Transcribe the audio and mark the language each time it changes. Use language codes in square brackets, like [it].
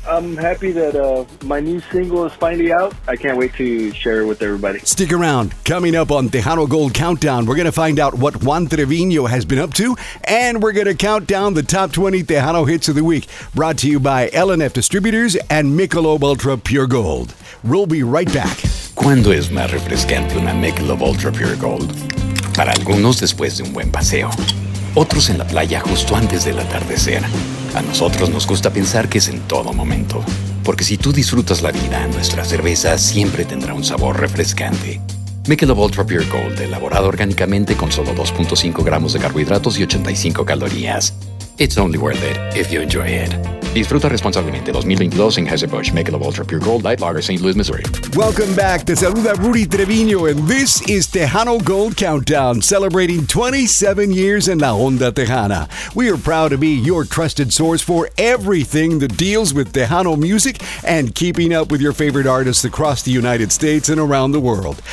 [en] I'm happy that my new single is finally out. I can't wait to share it with everybody. Stick around. Coming up on Tejano Gold Countdown, we're going to find out what Juan Treviño has been up to, and we're going to count down the top 20 Tejano hits of the week, brought to you by LNF Distributors and Michelob Ultra Pure Gold. We'll be right back. [es] ¿Cuándo es más refrescante una Michelob Ultra Pure Gold? Para algunos después de un buen paseo. Otros en la playa justo antes del atardecer. A nosotros nos gusta pensar que es en todo momento. Porque si tú disfrutas la vida, nuestra cerveza siempre tendrá un sabor refrescante. Michelob Ultra Pure Gold, elaborado orgánicamente con solo 2.5 gramos de carbohidratos y 85 calorías. [en] It's only worth it if you enjoy it. [es] Disfruta responsablemente 2022 en Anheuser-Busch Michelob Ultra Pure Gold Light Lager, St. Louis, Missouri. [en] Welcome back. [es] Te saluda Rudy Treviño, [en] and this is Tejano Gold Countdown, celebrating 27 years in La Onda Tejana. We are proud to be your trusted source for everything that deals with Tejano music and keeping up with your favorite artists across the United States and around the world.